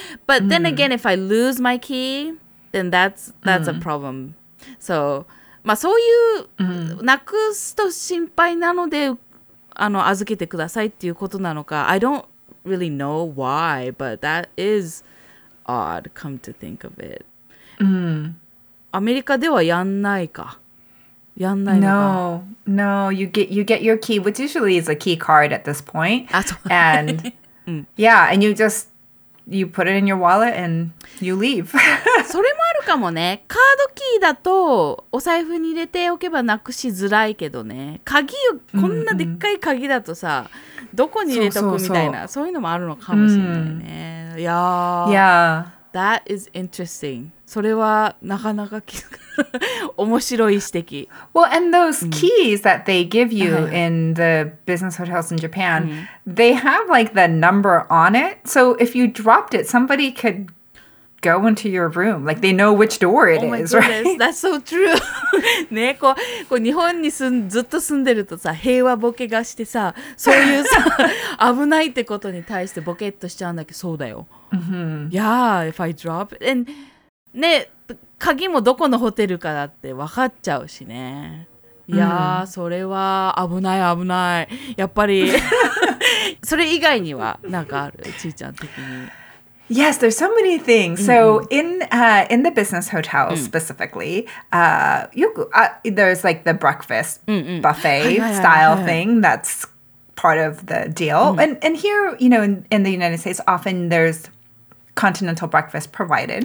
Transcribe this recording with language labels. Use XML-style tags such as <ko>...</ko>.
<en>But then again,、うん、if I lose my key, then that's a problem.、うん、so,</en> <ja>まあそういう、うん、なくすと心配なので、預けてくださいっていうことなのか、</ja> <en>I don't really know why, but that is odd, come to think of it.</en> <ja>アメリカではやんないか。やんないのか。</ja> <en>No, no, you get your key, which usually is a key card at this point. And yeah, and you put it in your wallet and you leave.</en> <ja>それもあるかもね。カードキーだとお財布に入れておけばなくしづらいけどね。鍵をこんなでっかい鍵だとさ、どこに入れとくみたいな、そういうのもあるのかもしれないね。いやー。</ja> <en>Yeah. That is interesting.</en> <ja>それはなかなか面白い指摘。</ja> <en>Well, and those keys that they give you in the business hotels in Japan, they have like the number on it. So if you dropped it, somebody could go into your room. Like they know which door it is, right? That's so true.</en> <ja>ね、こう日本にずっと住んでるとさ、平和ボケがしてさ、そういうさ、危ないってことに対してボケっとしちゃうんだけど、そうだよ。</ja> <en>Yeah, if I drop it.</en> <ja>And ね、鍵もどこのホテルかだって分かっちゃうしね。いやー、それは危ない危ない。やっぱり、それ以外にはなんかある、ちーちゃん的に。</ja> <en>Yes, there's so many things. So in the business hotel specifically, there's like the breakfast buffet style thing that's part of the deal. And here, you know, in the United States, often there's... continental breakfast provided.</en>